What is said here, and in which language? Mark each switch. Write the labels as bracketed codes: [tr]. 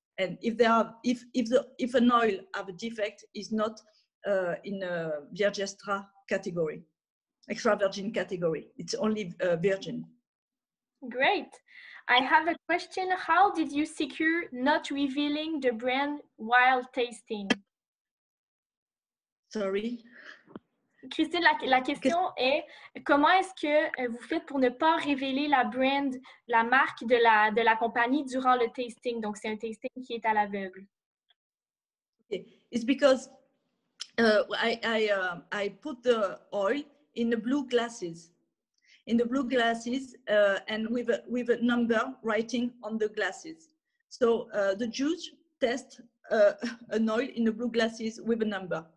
[en] And if an oil have a defect, is not in a vierge extra category, extra virgin category. It's only virgin. Great. I have a question. How did you secure not revealing the brand while tasting? Sorry. [fr] Christine, la question est, comment est-ce que vous faites pour ne pas révéler la brand, la marque de la compagnie durant le tasting? Donc, c'est un tasting qui est à l'aveugle. [en] Okay. It's because I put the oil in the blue glasses. In the blue glasses and with a number writing on the glasses. So, the juice test an oil in the blue glasses with a number.